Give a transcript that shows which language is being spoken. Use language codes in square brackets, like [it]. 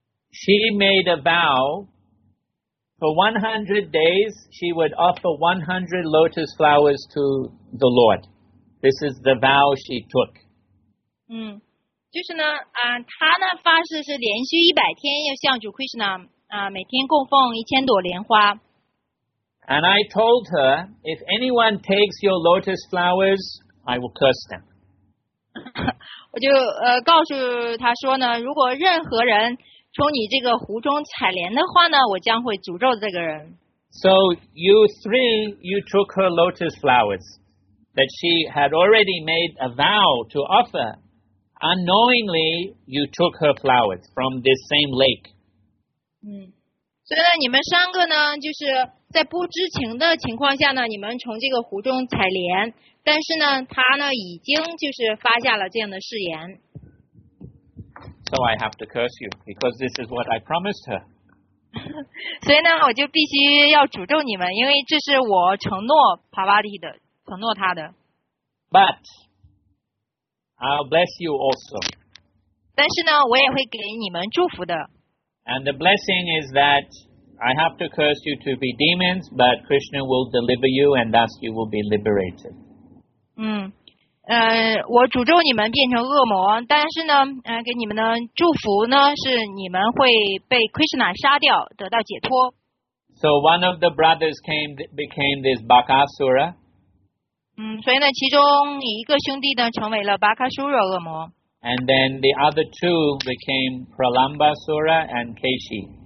[en] She made a vow for 100 days, she would offer 100 lotus flowers to the Lord. This is the vow she took. [zh] 就是呢，他呢发誓是连续100天要向主 Krishna 每天供奉1000朵莲花。 [en] And I told her, if anyone takes your lotus flowers, I will curse them. [zh] 我就告诉他说呢，如果任何人从你这个湖中采莲的话呢，我将会诅咒这个人。 [en] So you three, you took her lotus flowers that she had already made a vow to offer. Unknowingly, you took her flowers from this same lake. [zh] 所以呢，你们三个呢，就是在不知情的情况下呢，你们从这个湖中采莲，但是呢，他呢已经就是发下了这样的誓言。 [en] So I have to curse you because this is what I promised her. [zh] 所以呢，我就必须要诅咒你们，因为这是我承诺帕瓦蒂的，承诺他的。 [en] But I'll bless you also. [zh] 但是呢，我也会给你们祝福的。 [en] And the blessing is that I have to curse you to be demons, but Krishna will deliver you, and thus you will be liberated. [zh] 我诅咒你们变成恶魔，但是呢，给你们的祝福呢，是你们会被 Krishna 杀掉，得到解脱。 [en] So one of the brothers became this Bakasura. [zh] 所以呢，其中一个兄弟呢，成为了 Bakasura 恶魔。 [en] And then the other two became Pralambasura and Keshi.